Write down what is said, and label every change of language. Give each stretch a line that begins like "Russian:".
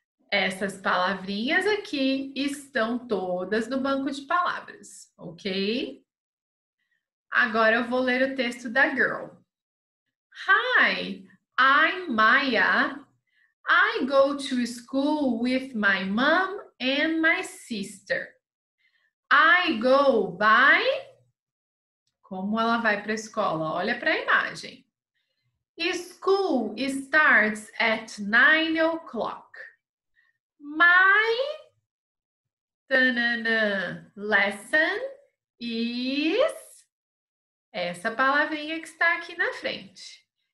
Portuguese: Essas palavrinhas aqui estão todas no banco de palavras, ok? Agora eu vou ler o texto da girl.
English: Hi, I'm Maya. I go to school with my mom and my sister. I go by,
Portuguese: como ela vai para a escola? Olha para a imagem.
English: School starts at 9 o'clock. My lesson is,
Portuguese: essa palavrinha que está aqui na frente.